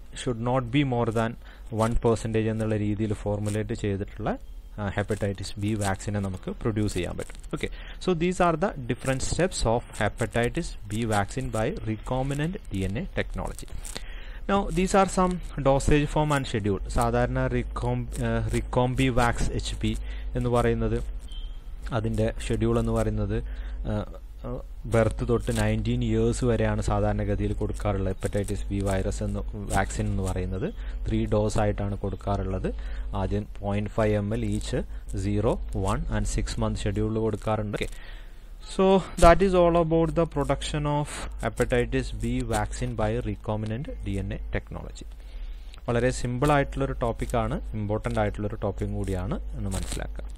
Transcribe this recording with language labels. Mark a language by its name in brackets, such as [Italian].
[English] should not be more than 1% [Malayalam] എന്നുള്ള രീതിയിൽ formulate ചെയ്തിട്ടുള്ള ഹെപ്പറ്റൈറ്റിസ് ബി വാക്സിനെ നമുക്ക് പ്രൊഡ്യൂസ് ചെയ്യാൻ പറ്റും. [English] Okay, so these are the different steps of hepatitis B vaccine by recombinant D N A technology. Now, these are some dosage form and schedule. [Malayalam] സാധാരണ റിക്കോംബി wax H P എന്ന് പറയുന്നത്, അതിൻ്റെ schedule എന്ന് പറയുന്നത് berth തൊട്ട് 19 years വരെയാണ് സാധാരണഗതിയിൽ കൊടുക്കാറുള്ളത് ഹെപ്പറ്റൈറ്റിസ് ബി വൈറസ് എന്ന് വാക്സിൻ എന്ന് പറയുന്നത്. 3 dose ആയിട്ടാണ് കൊടുക്കാറുള്ളത്. ആദ്യം 0.5 ml ഈച്ച്, 0, 1, and 6 month ഷെഡ്യൂളിൽ കൊടുക്കാറുണ്ട്. [English] So that is all about the production of hepatitis B vaccine by recombinant DNA technology. [Malayalam] വളരെ സിമ്പിൾ ആയിട്ടുള്ളൊരു ടോപ്പിക്കാണ്, ഇമ്പോർട്ടൻ്റ് ആയിട്ടുള്ളൊരു ടോപ്പിക് കൂടിയാണ് എന്ന് മനസ്സിലാക്കാം.